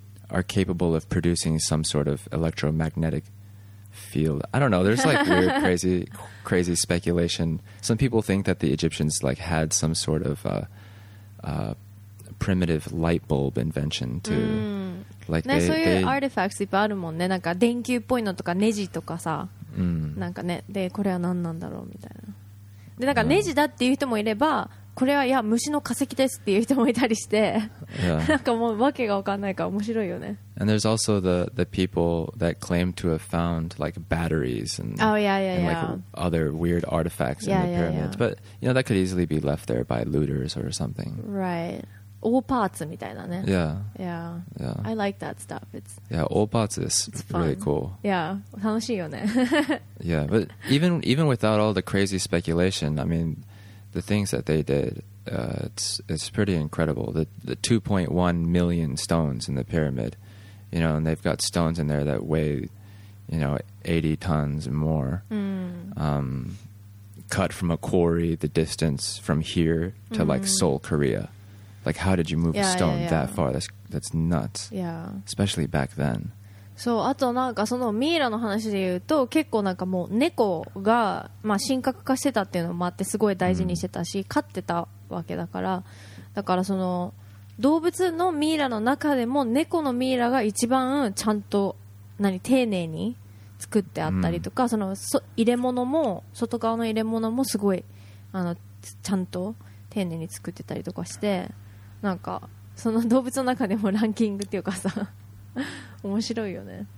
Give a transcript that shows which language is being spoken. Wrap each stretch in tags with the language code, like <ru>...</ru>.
<en>are capable of producing some sort of electromagnetic field. I don't know. There's like weird, crazy speculation. Some people think that the Egyptians like had some sort of primitive light bulb invention to like</en> <ja>ね、そういうアーティファクトいっぱいあるもんね。なんか電球っぽいのとかネジとかさ、なんかね、でこれは何なんだろうみたいな。でなんかネジだっていう人もいれば、これはいや虫の化石ですっていう人もいたりして、なんかもうわけが分かんないから面白いよね。</ja> <en>And there's also the people that claim to have found like batteries and and other weird artifacts in the pyramids, but you know that could easily be left there by looters or something. Right. Old parts</en> <ja>みたいなね。</ja> <en>Yeah. I like that stuff. Old parts is really cool.</en> <ja>Yeah. 楽しいよね。</ja> <en>Yeah. But even without all the crazy speculation, I mean, the things that they did, it's pretty incredible. The 2.1 million stones in the pyramid, you know, and they've got stones in there that weigh, you know, 80 tons and more. Cut from a quarry, the distance from here to like Seoul, Korea. Like, how did you move a stone that far? That's nuts. Yeah. Especially back then.</en> <ja>そう、あとなんかそのミイラの話で言うと、結構なんかもう猫が、まあ、神格化してたっていうのもあって、すごい大事にしてたし、飼ってたわけだから、だからその動物のミイラの中でも猫のミイラが一番ちゃんと何丁寧に作ってあったりとか、その入れ物も、外側の入れ物もすごいあのちゃんと丁寧に作ってたりとかして、なんかその動物の中でもランキングっていうかさ、面白いよね。</ja>